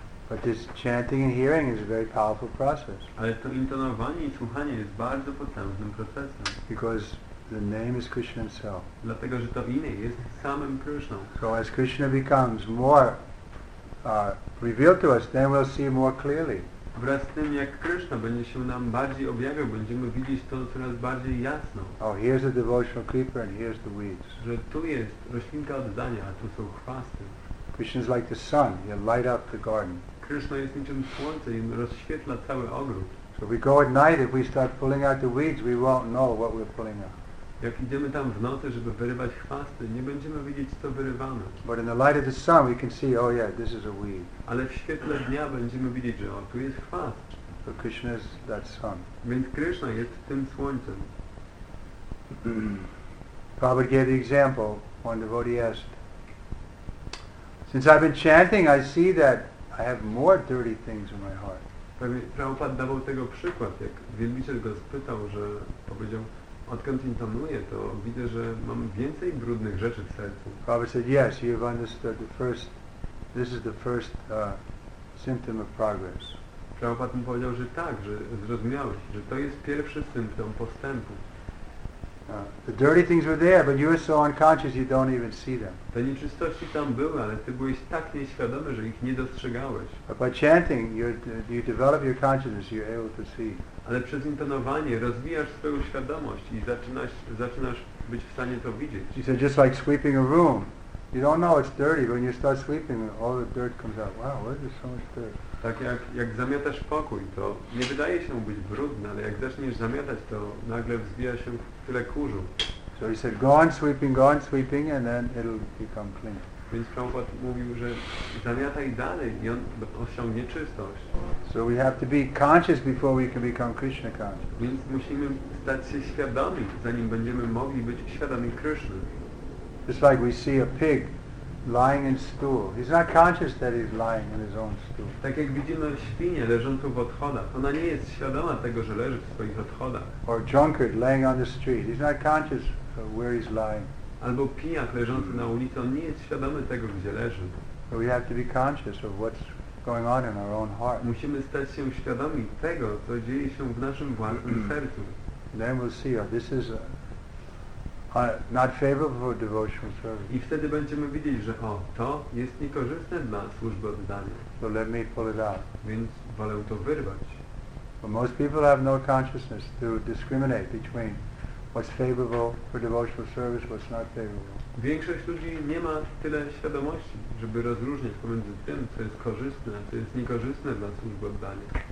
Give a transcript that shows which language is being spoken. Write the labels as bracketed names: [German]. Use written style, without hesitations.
[English] But this chanting and hearing is a very powerful process. [Polish] Ale to intonowanie i słuchanie jest bardzo potężnym procesem. [English] Because the name is Krishna himself. [Polish] Dlatego, że to imię jest samym Krishna. [English] So as Krishna becomes more revealed to us, then we'll see more clearly. [Polish] Wraz z tym, jak Krishna będzie się nam bardziej objawiał, będziemy widzieć to coraz bardziej jasno. [English] Oh, here's the devotional creeper and here's the weeds. [Polish] Że tu jest roślinka oddania, a tu są chwasty. [English] Krishna is like the sun, he'll light up the garden. [Polish] Krishna jest niczym słońce i rozświetla cały ogród. [English] So we go at night, if we start pulling out the weeds, we won't know what we're pulling out. [Polish] Jak idziemy tam w nocy, żeby wyrywać chwasty, nie będziemy widzieć, co wyrywamy. [English] But in the light of the sun, we can see, oh yeah, this is a weed. [Polish] Ale w świetle dnia będziemy widzieć, że o, tu jest chwast. [English] So Krishna is that sun. [Polish] Więc Krishna jest tym słońcem. [English] Prabhupada gave the example, one devotee asked, since I've been chanting, I see that I have more dirty things in my heart. [Polish] Prabhupada dawał tego przykład, jak wielbiciel go spytał, że powiedział, odkąd intonuję, to widzę, że mam więcej brudnych rzeczy w sercu. [English] Prabhupada said, yes, you've understood the first, this is the first symptom of progress. [Polish] Prabhupada mu powiedział, że tak, że zrozumiałeś, że to jest pierwszy symptom postępu. [English] The dirty things were there, but you were so unconscious you don't even see them. [Polish] Te nieczystości tam były, ale ty byłeś tak nieświadomy, że ich nie dostrzegałeś. [English] But by chanting, you develop your consciousness, you're able to see. [Polish] Ale przez intonowanie rozwijasz swoją świadomość i zaczynasz być w stanie to widzieć. [English] You said just like sweeping a room. You don't know it's dirty, but when you start sweeping, all the dirt comes out. Wow, where is there so much dirt? [Polish] Tak jak zamiatasz pokój, to nie wydaje się być brudny, ale jak zaczniesz zamiatać, to nagle wzbija się tyle kurzu. [English] So he said, go on sweeping, and then it'll become clean. [Polish] Więc Prabhupada mówił, że zamiataj dalej i on osiągnie czystość. [English] So we have to be conscious before we can become Krishna conscious. [Polish] Więc musimy stać się świadomi, zanim będziemy mogli być świadomi Krishna. [English] It's like we see a pig lying in stool. He's not conscious that he's lying in his own stool. [Polish] Tak jak widzimy świnię leżącą w odchodach. Ona nie jest świadoma tego, że leży w swoich odchodach. [English] Or drunkard laying on the street. He's not conscious of where he's lying. [Polish] Albo pijak leżący na ulicy. On nie jest świadomy tego, gdzie leży. [English] But we have to be conscious of what's going on in our own heart. [Polish] Musimy stać się świadomi tego, co dzieje się w naszym własnym sercu. [English] Then we'll see, oh, this is not favorable for devotional service. [Polish] I wtedy będziemy widzieć, że o, to jest niekorzystne dla służby oddania. [English] So let me pull it out. [Polish] Więc wolę to wyrwać. [English] But most people have no consciousness to discriminate between what's favorable for devotional service, what's not favorable. [Polish] Większość ludzi nie ma tyle świadomości, żeby rozróżniać pomiędzy tym, co jest korzystne, co jest niekorzystne dla służby oddania.